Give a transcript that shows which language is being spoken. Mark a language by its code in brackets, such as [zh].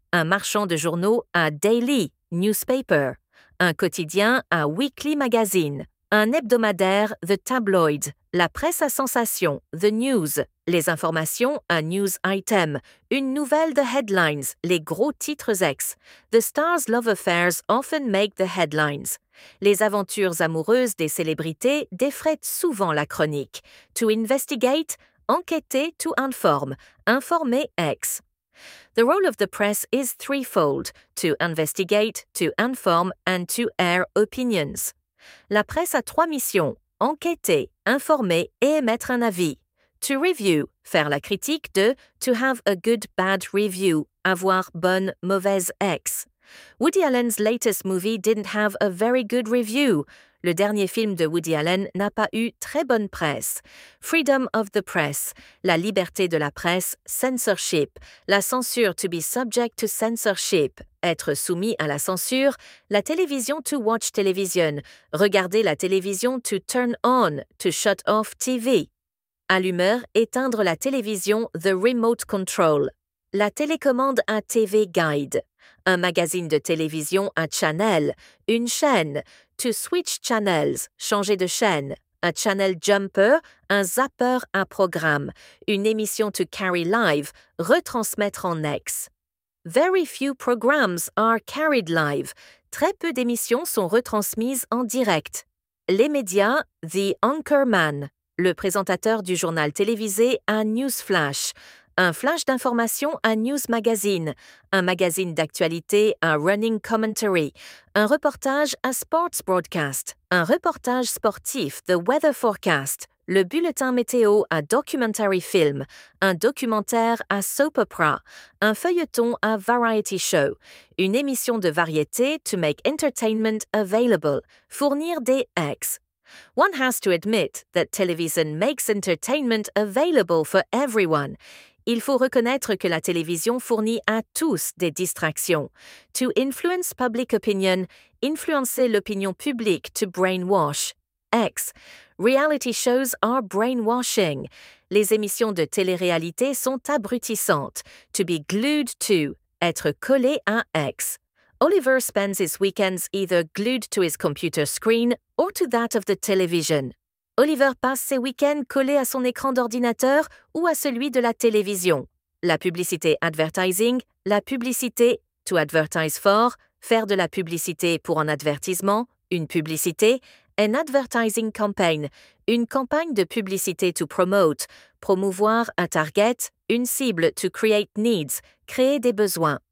[fr] Un marchand de journaux, un daily, newspaper. Un quotidien, un [en] weekly magazine. [fr] Un hebdomadaire, [en] the tabloid. [fr] La presse à sensation, [en] the news. [fr] Les informations, un [en] news item. [fr] Une nouvelle, [en] the headlines, [fr] les gros titres ex. [en] The star's love affairs often make the headlines. [fr] Les aventures amoureuses des célébrités défraient souvent la chronique. [en] To investigate, enquêter, to inform, informer ex. The role of the press is threefold, to investigate, to inform, and to air opinions. [fr] La presse a trois missions, enquêter, informer et émettre un avis. [en] To review, [fr] faire la critique de, [en] to have a good bad review, [fr] avoir bonne mauvaise ex. [en] Woody Allen's latest movie didn't have a very good review. [fr] Le dernier film de Woody Allen n'a pas eu très bonne presse. [en] Freedom of the press, [fr] la liberté de la presse, [en] censorship, [fr] la censure [en] to be subject to censorship. [fr] Être soumis à la censure, la télévision [en] to watch television, [fr] regarder la télévision [en] to turn on, to shut off TV. [fr] Allumeur, éteindre la télévision, [en] the remote control. [fr] La télécommande, un [en] TV guide. [fr] Un magazine de télévision, un channel, une chaîne. [en] To switch channels, [fr] changer de chaîne. Un channel jumper, un zapper, un programme. Une émission [en] to carry live, [fr] retransmettre en ex. [en] Very few programs are carried live. [fr] Très peu d'émissions sont retransmises en direct. Les médias, [en] the anchorman, [fr] le présentateur du journal télévisé, un [en] news flash. [fr] Un flash d'information, un [en] news magazine. [fr] Un magazine d'actualité, un [en] running commentary. [fr] Un reportage, un [en] sports broadcast. [fr] Un reportage sportif, [en] the weather forecast. [fr] Le bulletin météo, un [en] documentary film, [fr] un documentaire, un [en] soap opera, [fr] un feuilleton, un [en] variety show, [fr] une émission de variété, [en] to make entertainment available, [fr] fournir des ex. [en] One has to admit that television makes entertainment available for everyone. [fr] Il faut reconnaître que la télévision fournit à tous des distractions. [en] To influence public opinion, [fr] influencer l'opinion publique, [en] to brainwash. Ex. Reality shows are brainwashing. [fr] Les émissions de télé-réalité sont abrutissantes. [en] To be glued to. [fr] Être collé à ex. [en] Oliver spends his weekends either glued to his computer screen or to that of the television. [fr] Oliver passe ses week-ends collés à son écran d'ordinateur ou à celui de la télévision. La publicité advertising. La publicité. [en] To advertise for. [fr] Faire de la publicité pour un advertisement. Une publicité. [en] An advertising campaign, [fr] une campagne de publicité [en] to promote, [fr] promouvoir un target, une cible [en] to create needs, [fr] créer des besoins.